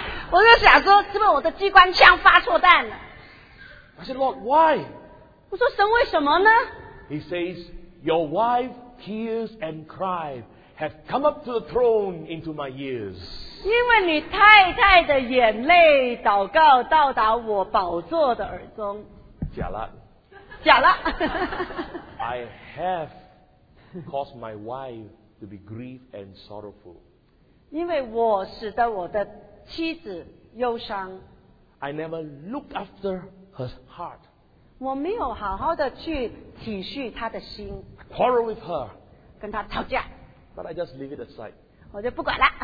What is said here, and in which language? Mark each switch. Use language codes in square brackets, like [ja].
[zh] 我就想说，是不是我的机关枪发错弹了 [en] ？I said, Lord, why? [zh] 我说神为什么呢 [en] ？He says, Your wife tears and cries have come up to the throne into my ears. [zh] 因为你太太的眼泪祷告到达我宝座的耳中。假了。假了 [en] I have caused my wife to be grieved and sorrowful. [zh] 因为我使得我的妻子忧伤。 [en] I never looked after her heart. [zh] 我没有好好的去体恤她的心。 [en] I quarrel with her. [zh] 跟她吵架。 [en] But I just leave it aside. [zh] 我就不管了。